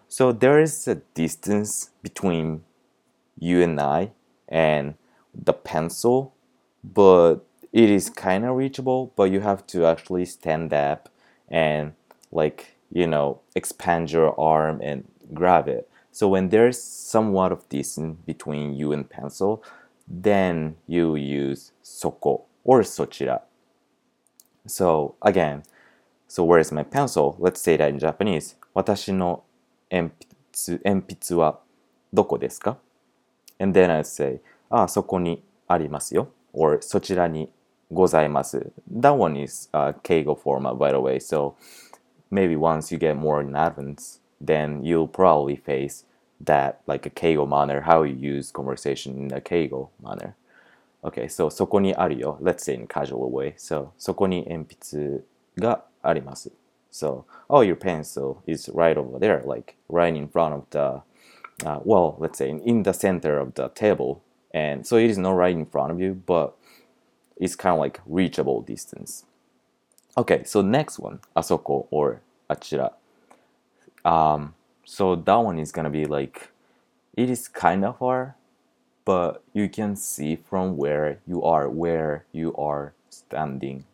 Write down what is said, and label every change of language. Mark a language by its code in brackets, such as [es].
[en] So there is a distance between you and I and the pencil, but it is kind of reachable, but you have to actually stand up and like, you know, expand your arm and grab it. So when there's somewhat of distance between you and pencil, then you use そこ or そちら. So again, so where is my pencil? Let's say that in Japanese. [ja] 私の鉛筆はどこですか? [en] And then I say, ah, [ja] そこにありますよ. Or そちらにございます. [en] That one is a keigo format, by the way. So maybe once you get more advanced, then you'll probably face that like a keigo manner, how you use conversation in a keigo manner. Okay, so [ja] そこにあるよ, [en] let's say in a casual way. [ja] So そこに鉛筆があります. [en] So, oh, your pencil is right over there, like right in front of the, well, let's say in the center of the table. And so it is not right in front of you, but it's kind of like reachable distance. Okay, so next one, あそこ or あちら.So that one is going to be like, it is kind of far, but you can see from where you are standing.